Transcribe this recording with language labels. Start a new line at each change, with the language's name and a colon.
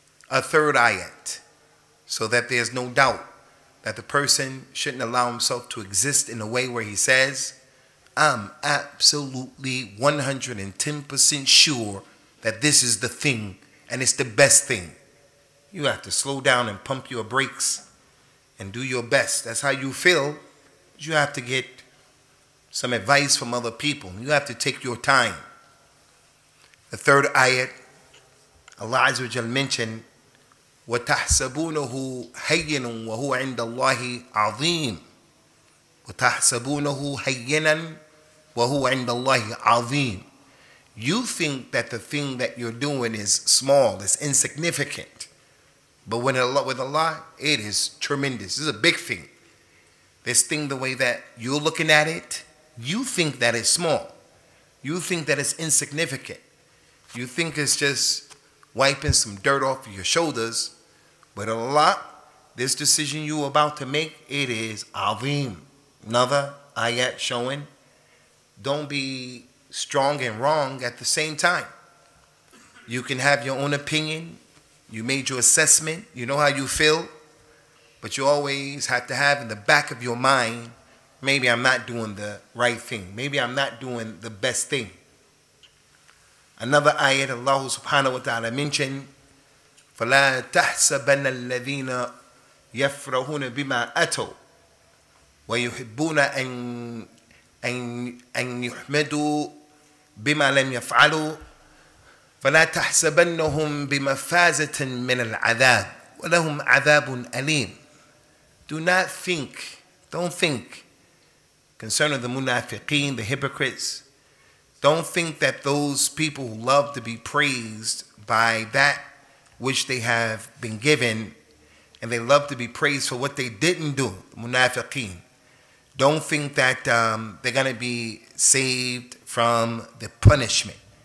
English: A third ayat, so that there's no doubt that the person shouldn't allow himself to exist in a way where he says, I'm absolutely 110% sure that this is the thing and it's the best thing. You have to slow down and pump your brakes and do your best. That's how you feel. You have to get some advice from other people. You have to take your time. The third ayat, Allah Azza wa Jal mentioned,
Arabic: وَتَحْسَبُونَهُ هَيِّنًا وَهُوَ عِنْدَ اللَّهِ عَظِيمٌ وَتَحْسَبُونَهُ هَيِّنًا وَهُوَ عِنْدَ اللَّهِ عَظِيمٌ.
English: You think that the thing that you're doing is small, it's insignificant. But when Allah, with Allah, it is tremendous. It's a big thing. This thing, the way that you're looking at it, you think that it's small. You think that it's insignificant. You think it's just wiping some dirt off of your shoulders. But Allah, this decision you are about to make, it is azim. Another ayat showing, don't be strong and wrong at the same time. You can have your own opinion. You made your assessment. You know how you feel. But you always have to have in the back of your mind, maybe I'm not doing the right thing. Maybe I'm not doing the best thing. Another ayat Allah subhanahu wa ta'ala mentioned,
Arabic: فَلَا تَحْسَبَنَّ الَّذِينَ يَفْرَهُونَ بِمَا أَتَوْ وَيُحِبُّونَ أَنْ يُحْمَدُوا بِمَا لَمْ يَفْعَلُوا فَلَا تَحْسَبَنَّهُمْ بِمَفَازَةٍ مِنَ الْعَذَابِ وَلَهُمْ عَذَابٌ أَلِيمٌ.
English: Do not think, don't think concerning the munafiqeen, the hypocrites. Don't think that those people who love to be praised by that which they have been given, and they love to be praised for what they didn't do, munafiqeen, don't think that they're going to be saved from the punishment.